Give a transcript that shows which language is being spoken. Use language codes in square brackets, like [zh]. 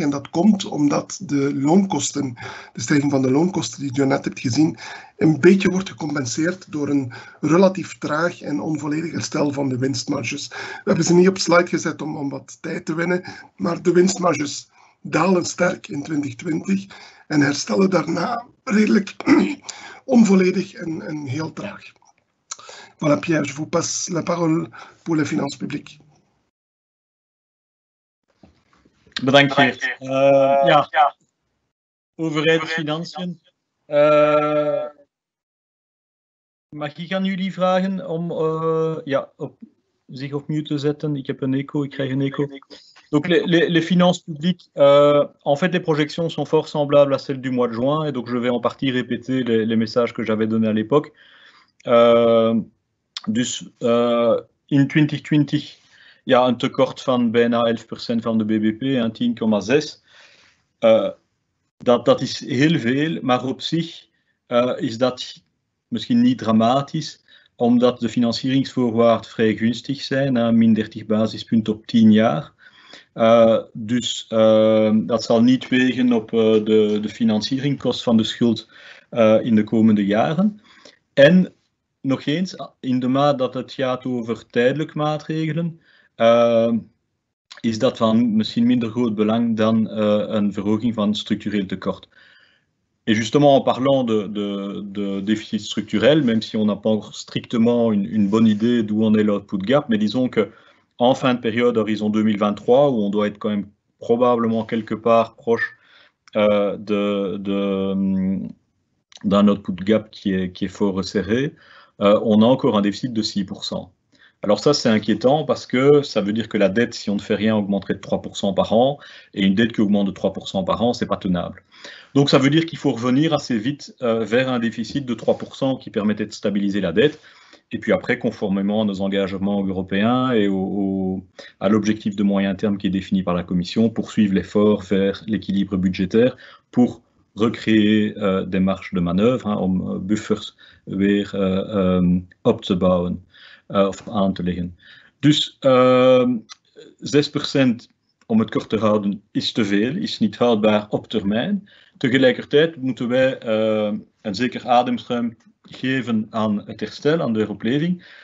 [nl] En dat komt omdat de stijging van de loonkosten die je net hebt gezien, een beetje wordt gecompenseerd door een relatief traag en onvolledig herstel van de winstmarges. We hebben ze niet op slide gezet om wat tijd te winnen, maar de winstmarges dalen sterk in 2020 en herstellen daarna redelijk onvolledig en heel traag. [fr] Voilà, Pierre, je vous passe la parole pour les finances publiques. [nl] Bedankt, Geert. Ja, overheidsfinanciën. Mag ik aan jullie vragen om zich op mute te zetten? Ik heb een echo, ik krijg een echo. [fr] Donc, les finances publiques, en fait, les projections sont fort semblables à celles du mois de juin, et donc je vais en partie répéter les messages que j'avais donnés à l'époque. [nl] In 2020, [fr] il y a un [nl] tekort van bijna 11% van de BBP, hein, 10,6. Dat is heel veel, maar op zich is dat misschien niet dramatisch, omdat de financieringsvoorwaarden vrij gunstig zijn, hein, min 30 basispunten op 10 jaar. Dat zal niet wegen op de financieringskosten van de schuld in de komende jaren. En nog eens, in de mate dat het gaat over tijdelijke maatregelen, is dat van misschien minder groot belang dan een verhoging van structureel tekort. [fr] Et justement, en parlant de déficit structurel, même si on n'a pas strictement une bonne idée d'où en est l'output gap, mais disons qu'en fin de période, horizon 2023, où on doit être quand même probablement quelque part proche d'un output gap qui est fort resserré, on a encore un déficit de 6%. Alors ça, c'est inquiétant parce que ça veut dire que la dette, si on ne fait rien, augmenterait de 3% par an, et une dette qui augmente de 3% par an, ce n'est pas tenable. Donc ça veut dire qu'il faut revenir assez vite vers un déficit de 3% qui permettait de stabiliser la dette. Et puis après, conformément à nos engagements européens et à l'objectif de moyen terme qui est défini par la Commission, poursuivre l'effort vers l'équilibre budgétaire pour recréer des marges de manœuvre, hein, [nl] om buffers weer op te bouwen of aan te leggen. Dus 6% om het kort te houden, is te veel, is niet houdbaar op termijn. Tegelijkertijd moeten wij een zeker ademruim geven aan het herstel, aan de heropleving.